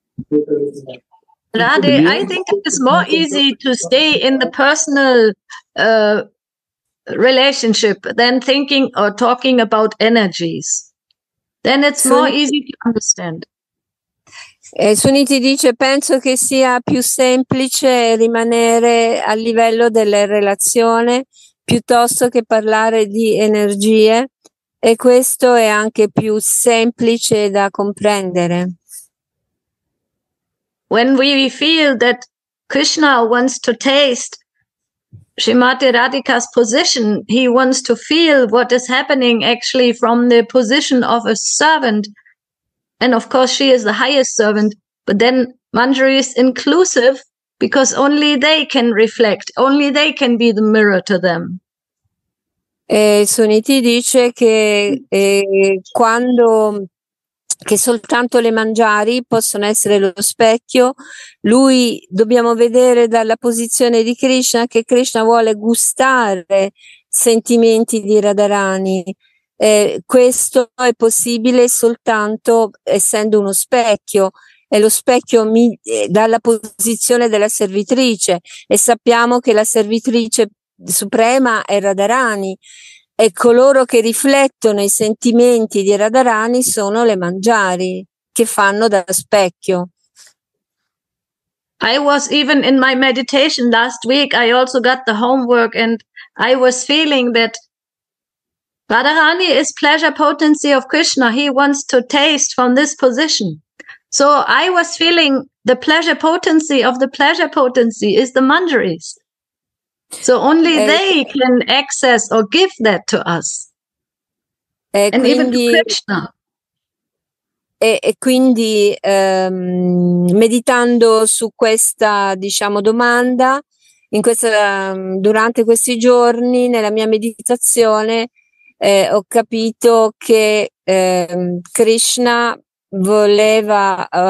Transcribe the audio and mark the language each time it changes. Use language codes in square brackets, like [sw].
[en] Radhe, I think it is more easy to stay in the personal relationship than thinking or talking about energies. Then it's more easy to understand. [it] Suniti dice, penso che sia più semplice rimanere a livello delle relazioni piuttosto che parlare di energie, e questo è anche più semplice da comprendere. [en] When we feel that Krishna wants to taste Srimati Radhika's position, he wants to feel what is happening actually from the position of a servant, and of course she is the highest servant, but then Manjari is inclusive because only they can reflect, only they can be the mirror to them. [it] E Suniti dice che quando che soltanto le Manjari possono essere lo specchio, lui dobbiamo vedere dalla posizione di Krishna che Krishna vuole gustare sentimenti di Radharani. Questo è possibile soltanto essendo uno specchio, è lo specchio dalla posizione della servitrice, e sappiamo che la servitrice suprema è Radharani, e coloro che riflettono i sentimenti di Radharani sono le Manjari, che fanno da specchio. [en] I was even in my meditation last week, I also got the homework, and I was feeling that Radharani is pleasure potency of Krishna, he wants to taste from this position. So I was feeling the pleasure potency of the pleasure potency is the Manjaris. So only they can access or give that to us. [it] And quindi, [en] even to Krishna. [it] E quindi meditando su questa, diciamo, domanda, in questa, durante questi giorni, nella mia meditazione, ho capito che Krishna voleva